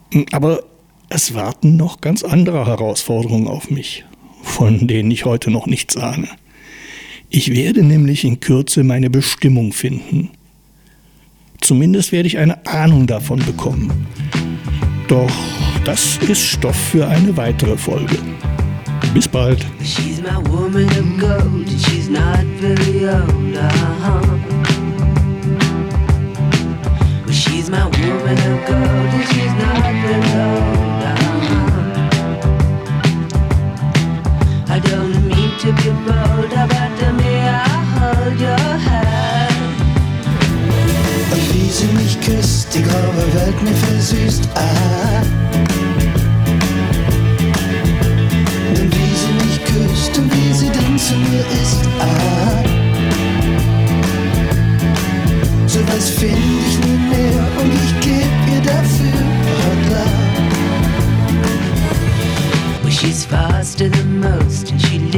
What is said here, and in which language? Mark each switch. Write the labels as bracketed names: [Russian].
[German] Aber es warten noch ganz andere Herausforderungen auf mich, von denen ich heute noch nichts ahne. Ich werde nämlich in Kürze meine Bestimmung finden. Zumindest werde ich eine Ahnung davon bekommen. Doch das ist Stoff für eine weitere Folge. Bis bald. [English] She's my woman of gold, she's not very old, uh-huh. She's my woman of gold, she's not very old, uh-huh. I don't mean to be bold, but may I hold your hand. [German] Wie sie mich küsst, die graue Welt mir versüßt, ah. Denn wie sie mich küsst und wie sie dann zu mir ist, ah. So was find ich nie mehr und ich geb ihr dafür Hotline. [English] Well, she's faster than most and she's